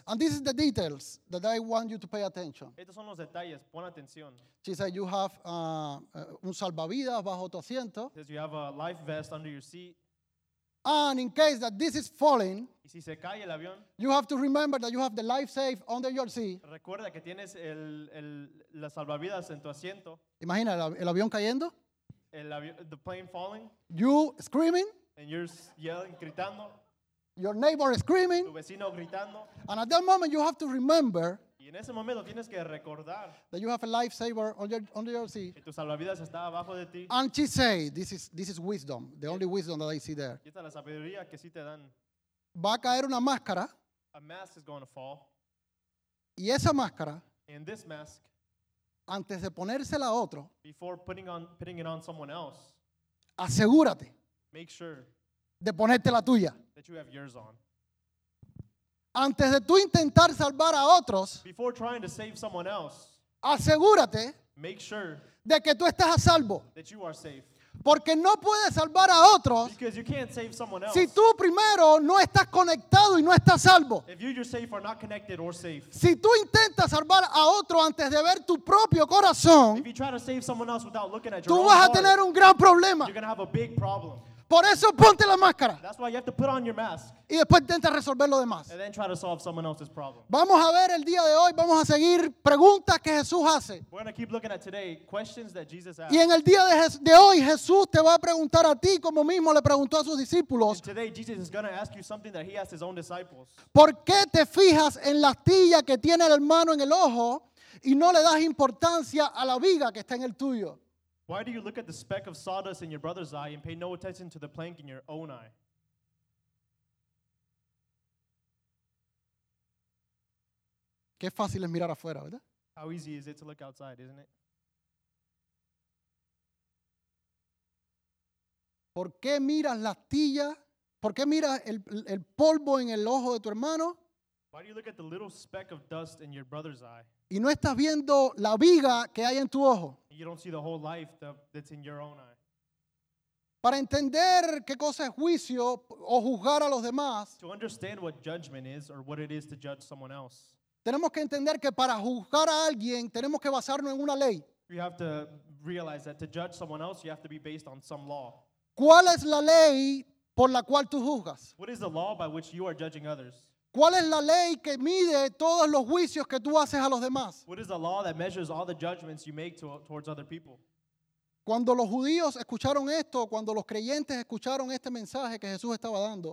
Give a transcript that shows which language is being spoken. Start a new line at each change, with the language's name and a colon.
English: And this is the details that I want you to pay attention.
Spanish: Estos son los detalles, pon atención.
English: She said, you have
Spanish: un salvavidas bajo tu asiento.
English: Says you have a life vest under your seat. And in case that this is falling,
Spanish: y si se cae el avión,
English: you have to remember that you have the life safe under your seat.
Spanish: Recuerda que tienes las salvavidas en tu asiento. Imagina el avión cayendo.
English: The plane falling. You screaming. And you're yelling,
Spanish: gritando.
English: Your neighbor screaming.
Spanish: Tu vecino gritando.
English: And at that moment, you have to remember,
Spanish: y en ese momento tienes que recordar,
English: that you have a lifesaver under your seat.
Spanish: Y tu salvavidas está abajo de ti.
English: And she say, this is wisdom, the only wisdom that I see there.
Spanish: Y esta es la sabiduría que sí te dan. Va a caer una máscara.
English: A mask is going to fall.
Spanish: Y esa máscara,
English: and this mask,
Spanish: antes de ponérsela a otro,
English: before putting it on someone else,
Spanish: asegúrate,
English: make sure,
Spanish: de ponerte la tuya,
English: that you have yours on.
Spanish: Antes de tú intentar salvar a otros,
English: before trying to save someone else,
Spanish: asegúrate,
English: make sure,
Spanish: de que tú estás a salvo,
English: that you are safe.
Spanish: Porque no puedes salvar a otros,
English: because you can't save someone else,
Spanish: si tú primero no estás conectado y no estás salvo.
English: If you yourself are not connected or safe.
Spanish: Si tú intentas salvar a otro antes de ver tu propio corazón,
English: if you try to save someone else without looking at your
Spanish: tú
English: own
Spanish: vas a
English: heart,
Spanish: tener un gran problema.
English: You're gonna have a big problem.
Spanish: Por eso ponte la máscara.
English: That's why you have to put on your mask.
Spanish: Y después intenta resolver lo demás.
English: And then try to solve someone else's problem.
Spanish: Vamos a ver el día de hoy. Vamos a seguir preguntas que Jesús hace.
English: We're going to keep looking at today questions that Jesus asked.
Spanish: Y en el día de hoy Jesús te va a preguntar a ti como mismo le preguntó a sus discípulos.
English: And today Jesus is going to ask you something that he asked his own disciples.
Spanish: ¿Por qué te fijas en la astilla que tiene el hermano en el ojo y no le das importancia a la viga que está en el tuyo?
English: Why do you look at the speck of sawdust in your brother's eye and pay no attention to the plank in your own eye?
Spanish: Qué fácil es mirar afuera, ¿verdad?
English: How easy is it to look outside, isn't it?
Spanish: ¿Por qué miras la astilla? ¿Por qué miras el polvo en el ojo de tu hermano?
English: Why do you look at the little speck of dust in your brother's eye?
Spanish: Y no estás viendo la viga que hay en tu ojo.
English: You don't see the whole life that's in your own eye.
Spanish: Para entender qué cosa es juicio o juzgar a los demás,
English: to understand what judgment is or what it is to judge someone else,
Spanish: tenemos que entender que para juzgar a alguien tenemos que basarnos en una ley.
English: You have to realize that to judge someone else you have to be based on some law.
Spanish: ¿Cuál es la ley por la cual tú juzgas?
English: What is the law by which you are judging others?
Spanish: ¿Cuál es la ley que mide todos los juicios que tú haces a los demás?
English: What is the law that measures all the judgments you make towards other people?
Spanish: Cuando los judíos escucharon esto, cuando los creyentes escucharon este mensaje que Jesús estaba dando,